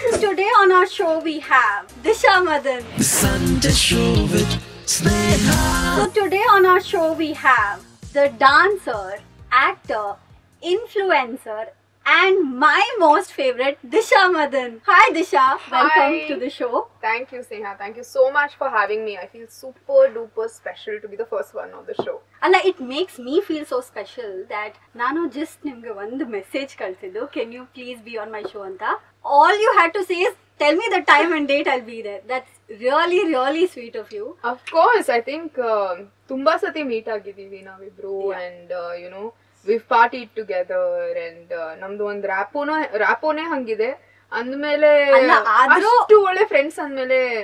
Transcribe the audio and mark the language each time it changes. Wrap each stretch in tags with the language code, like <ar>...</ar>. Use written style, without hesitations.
<en>Today on our show we have Disha Madan. The SUNಜ Show with Sneha. So today on our show we have the dancer, actor, influencer and my most favorite Disha Madan. Hi Disha. Hi. Welcome to the show. Thank you Sneha. Thank you so much for having me. I feel super duper special to be the first one on the show. ಅಲ್ಲ it makes me feel so special that</en> <kn>ನಾನು just ನಿಮ್ಗೆ ಒಂದು message ಕಳ್ಸಿದ್ದು,</kn> <en>Can you please be on my show ಅಂತ. All you had to say is tell me the time and date I'll be there. That's really really sweet of you. Of course, I think</en> <kn>ತುಂಬಾ ಸತಿ meet ಆಗಿದ್ದೀವಿ ನಾವಿಬ್ರು,</kn> <en>and you know we party together,</en> <kn>and ನಮ್ದು ಒಂದು ರ್ಯಾಪೋನೇ ಹಂಗಿದೆ ಅಂದ್ಮೇಲೆ ಒಳ್ಳೆ friends ಅಂದ್ಮೇಲೆ.</kn>